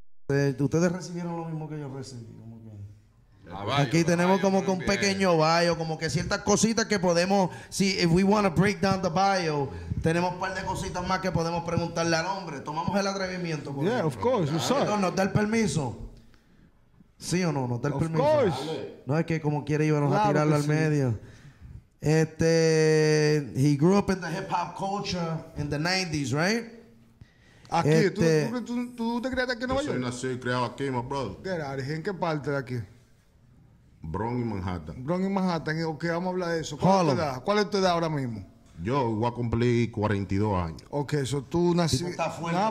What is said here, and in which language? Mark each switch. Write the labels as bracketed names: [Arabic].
[Spanish] Ustedes recibieron lo mismo que yo recibí. Aquí tenemos como que un pequeño bio, como que ciertas cositas que podemos, si [English] if we want to break down the bio, [Spanish] tenemos un par de cositas más que podemos preguntarle al hombre. Tomamos el atrevimiento. [English] Yeah, of course. [Spanish] ¿Nos da el permiso? ¿Sí o no? ¿Nos da el permiso? [English] Of course. [Spanish] No, es que como quiere íbamos a tirarlo al medio. [English] Este, he grew up in the hip hop culture in the 90s, right? [Spanish] Aquí, este, ¿tú te criaste aquí en Nueva York? Yo soy nacido y criado aquí, [English] my brother. [Spanish] ¿En qué parte de aquí? Bronx y Manhattan. Bronx y Manhattan, ok, vamos a hablar de eso. ¿Cuál es tu edad? ¿Cuál es tu edad ahora mismo? Yo voy a cumplir 42 años. Ok, eso tú naciste. Está fuerte. Nah,